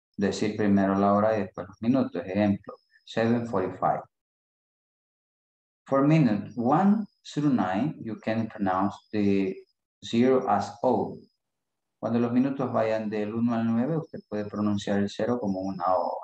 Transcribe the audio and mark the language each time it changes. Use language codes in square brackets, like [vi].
[es] Decir primero la hora y después los minutos. Ejemplo, 7:45. [en] For minute 1 through 9, you can pronounce the zero as O. [es] Cuando los minutos vayan del 1 al 9, usted puede pronunciar el cero como una O.